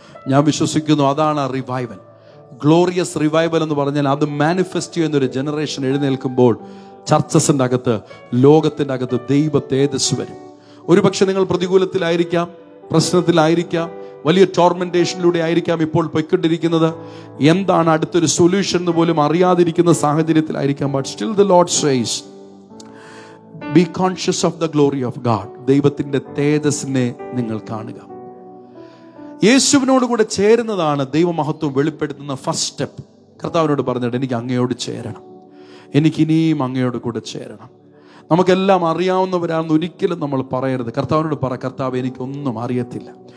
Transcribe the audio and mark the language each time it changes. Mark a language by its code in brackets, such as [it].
[ml] ഞാൻ വിശ്വസിക്കുന്നു അതാണ് ആ റിവൈവൽ. ഗ്ലോറിയസ് റിവൈവൽ എന്ന് പറഞ്ഞാൽ അത് മാനിഫെസ്റ്റ് ചെയ്യുന്നൊരു ജനറേഷൻ എഴുന്നേൽക്കുമ്പോൾ ചർച്ചസിൻ്റെ അകത്ത്, ലോകത്തിൻ്റെ അകത്ത് ദൈവ തേജസ് വരും. ഒരുപക്ഷെ നിങ്ങൾ പ്രതികൂലത്തിലായിരിക്കാം, പ്രശ്നത്തിലായിരിക്കാം, വലിയ ടോർമെൻറ്റേഷനിലൂടെ ആയിരിക്കാം ഇപ്പോൾ പൊയ്ക്കൊണ്ടിരിക്കുന്നത്. എന്താണ് അടുത്തൊരു സൊല്യൂഷൻ എന്ന് പോലും അറിയാതിരിക്കുന്ന സാഹചര്യത്തിലായിരിക്കാം. [en] But still the lord says Be conscious of the glory of God. [ml] ദൈവത്തിന്റെ തേജസ്സിനെ നിങ്ങൾ കാണുക. യേശുവിനോട് കൂടെ ചേരുന്നതാണ് ദൈവമഹത്വം വെളിപ്പെടുത്തുന്ന ഫസ്റ്റ് സ്റ്റെപ്പ്. കർത്താവിനോട് പറഞ്ഞിട്ട് എനിക്ക് അങ്ങയോട് ചേരണം, എനിക്ക് ഇനിയും അങ്ങയോട് കൂടെ ചേരണം. നമുക്കെല്ലാം അറിയാവുന്നവരാണെന്ന് ഒരിക്കലും നമ്മൾ പറയരുത്. കർത്താവിനോട് പറ, കർത്താവ് എനിക്കൊന്നും അറിയത്തില്ല.